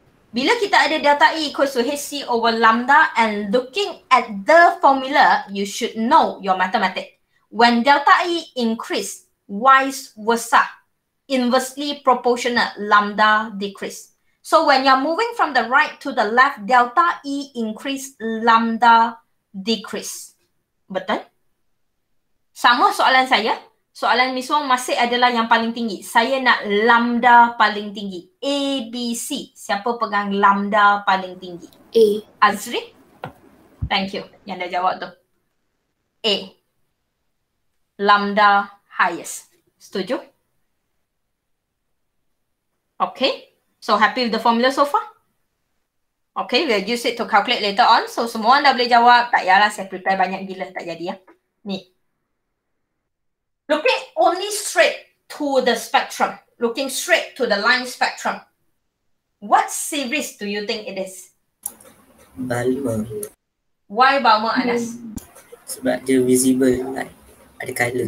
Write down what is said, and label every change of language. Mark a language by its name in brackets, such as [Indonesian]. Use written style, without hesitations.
[English] Bila kita ada delta E equals to HC over lambda and looking at the formula, you should know your mathematics. When delta E increase, vice versa, inversely proportional, lambda decrease. So when you're moving from the right to the left, delta E increase, lambda decrease. [Malay] Betul? Sama soalan saya. Soalan Miss Wong masih adalah yang paling tinggi. Saya nak lambda paling tinggi. A, B, C. Siapa pegang lambda paling tinggi? A. Azri? [English] Thank you. [Malay] Yang dah jawab tu. A. [English] Lambda highest. [Malay] Setuju? [English] Okay. So happy with the formula so far? Okay, we'll use it to calculate later on. [Malay] So semua anda boleh jawab. Tak yalah, saya prepare banyak gila. Tak jadi ya. Ni. [English] Looking only straight to the spectrum, looking straight to the line spectrum, what series do you think it is? Balmer. Why Balmer, Anas? [Malay] Sebab dia visible light. Ada colour.